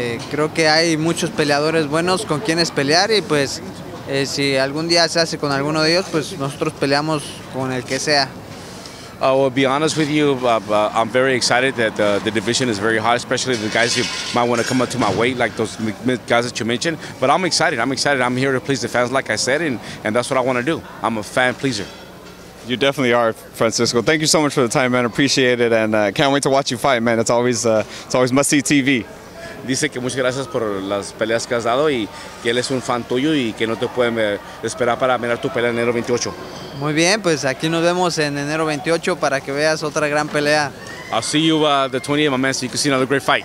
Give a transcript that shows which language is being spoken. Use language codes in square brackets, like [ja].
[es] Creo que hay muchos peleadores buenos con quienes pelear y pues... si algún día se hace con alguno de ellos, pues nosotros peleamos con el que sea. [en] I will be honest with you, I'm very excited that the division is very hot, especially the guys who might want to come up to my weight, like those guys that you mentioned. But I'm excited. I'm here to please the fans, like I said, and that's what I want to do. I'm a fan pleaser. You definitely are, Francisco. Thank you so much for the time, man. Appreciate it, and can't wait to watch you fight, man. It's always must-see TV. [es] dice que muchas gracias por las peleas que has dado y que él es un fan tuyo y que no te pueden esperar para mirar tu pelea en enero 28. Muy bien, pues aquí nos vemos en enero 28 para que veas otra gran pelea. [en] I'll see you the 28th, my man, so you can see another great fight.